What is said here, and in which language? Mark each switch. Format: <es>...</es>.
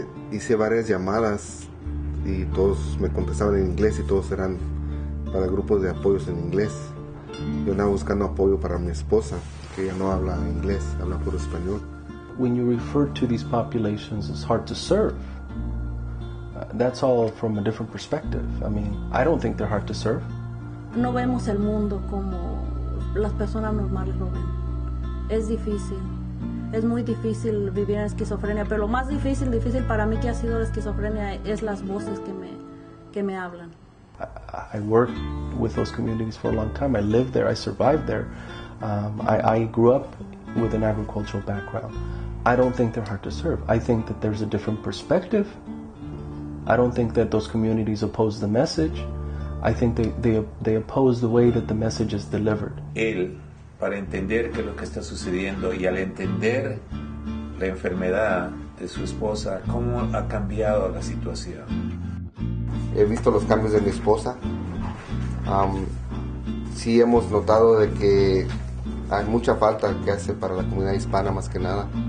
<es>Hice varias llamadas y todos me contestaban en inglés y todos eran para grupos de apoyos en inglés. Yo andaba buscando apoyo para mi esposa, que ella no habla inglés, habla puro español.</es> <en>When you refer to these populations as hard to serve, that's all from a different perspective. I mean, I don't think they're hard to serve.</en> <es>No vemos el mundo como las personas normales lo ven. Es difícil. Es muy difícil vivir en esquizofrenia, pero lo más difícil, difícil para mí que ha sido la esquizofrenia es las voces que me hablan.</es> <en>I worked with those communities for a long time. I lived there. I survived there. I grew up with an agricultural background. I don't think they're hard to serve. I think that there's a different perspective. I don't think that those communities oppose the message. I think they oppose the way that the message is delivered.</en> <es>Para entender qué es lo que está sucediendo y al entender la enfermedad de su esposa, cómo ha cambiado la situación. He visto los cambios de mi esposa. Sí hemos notado de que hay mucha falta que hace para la comunidad hispana más que nada.</es>